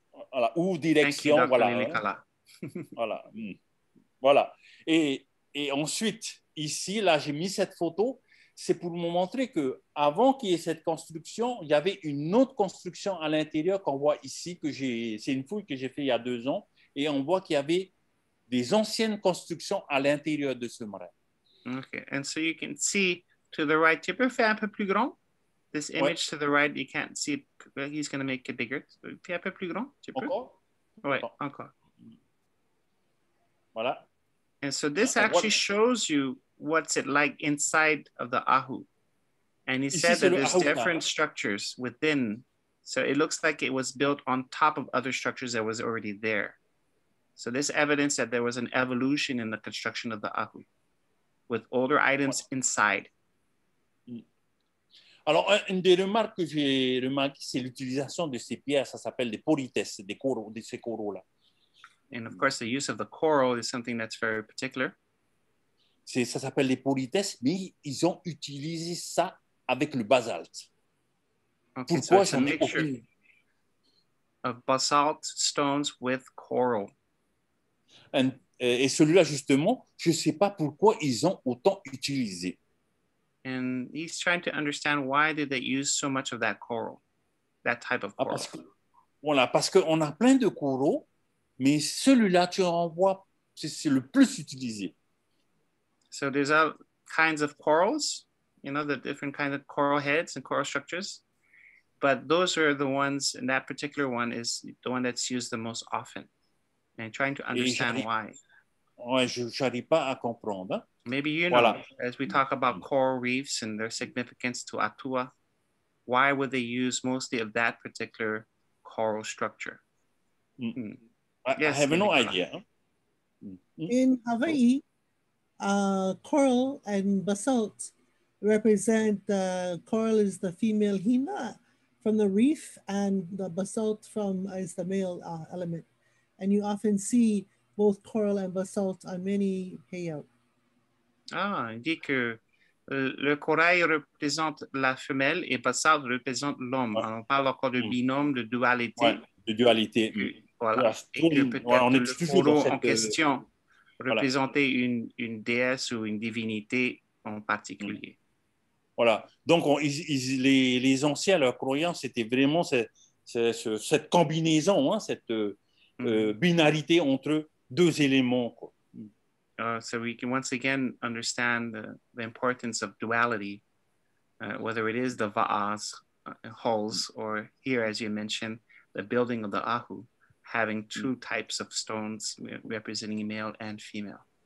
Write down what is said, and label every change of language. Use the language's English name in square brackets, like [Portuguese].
[French] Voilà, ou direction, [English] thank you, Dr. Lilikalā. [French] Voilà. Voilà. Et ensuite, ici, là, j'ai mis cette photo, c'est pour vous montrer que avant qu'il y ait cette construction, il y avait une autre construction à l'intérieur qu'on voit ici, c'est une fouille que j'ai fait il y a 2 ans, et on voit qu'il y avait des anciennes constructions à l'intérieur de ce marais. [English] Okay, and so you can see to the right. [French] Tu peux faire un peu plus grand? [English] This image to the right, you can't see it. Well, he's going to make it bigger. [French] Fais un peu plus grand, tu peux? Encore? Oui, encore. Voilà. [English] And so this actually shows you what's it like inside of the Ahu. And he said that there's different structures within. So it looks like it was built on top of other structures that was already there. So this evidence that there was an evolution in the construction of the Ahu. With older items inside. [French] Alors, une des remarques que j'ai remarquées, c'est l'utilisation de ces pierres, ça s'appelle des porites, des coraux, de ces coraux-là. [English] And of course, the use of the coral is something that's very particular. [French] Ça s'appelle les porites, mais ils ont utilisé ça avec le basalt. [English] Okay, pourquoi so [French] j'en ai aucune idée? [English] Of basalt stones with coral. [French] Et celui-là, justement, je ne sais pas pourquoi ils ont autant utilisé. [English] And he's trying to understand why did they use so much of that coral, that type of coral. [French] Parce qu'on a plein de coraux, mais celui-là, tu en vois, c'est le plus utilisé. [English] So there's all kinds of corals, you know, the different kinds of coral heads and coral structures. But those are the ones, and that particular one is the one that's used the most often. And trying to understand why. [French] Ouais, je n'arrive pas à comprendre. [English] Maybe you know, as we talk about coral reefs and their significance to ATUA, why would they use mostly of that particular coral structure? Yes, I have no idea. In Hawaii, coral and basalt represent the coral is the female hina from the reef and the basalt from is the male element. And you often see both coral and basalt on many heiau. [French] Ah, il dit que le corail représente la femelle et basalt représente l'homme. Ouais. On parle encore de binôme, de dualité. Ouais, de dualité. Voilà. Et peut-être le coraux en question représentait une déesse ou une divinité en particulier. Voilà. Donc, les anciens, leurs croyances, c'était vraiment cette combinaison, hein, binarité entre deux éléments. [English] So we can once again understand the importance of duality, whether it is the va'as, halls, or here, as you mentioned, the building of the ahu, having two types of stones representing male and female.